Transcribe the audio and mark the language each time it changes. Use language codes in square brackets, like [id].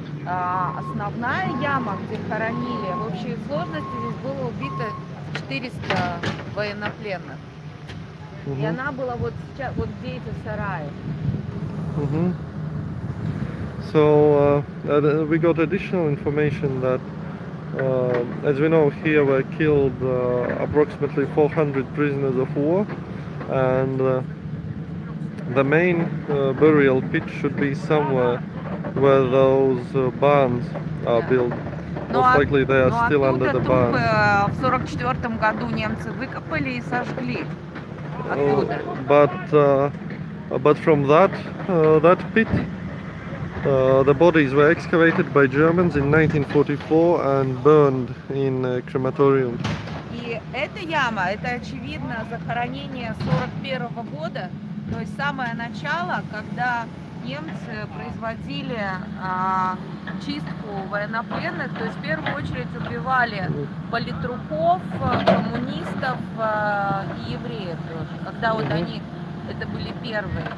[ru] Основная яма, где хоронили, в общей сложности здесь было убито 400 военнопленных. И она была вот сейчас, вот где эти сараи. [en] So we got additional information that, as we know, here were killed approximately 400 prisoners of war, and the main burial pit should be somewhere where those barns are built. Most likely they are still under the barns. [ru] В 44-м году немцы выкопали и сожгли. [en] But from that that pit, the bodies were excavated by Germans in 1944 and burned in a crematorium. [ru] И эта яма, это очевидно захоронение 41-го года, то есть самое начало, когда немцы производили чистку военнопленных, то есть в первую очередь убивали политруков, коммунистов и евреев тоже, когда вот они, это были первые.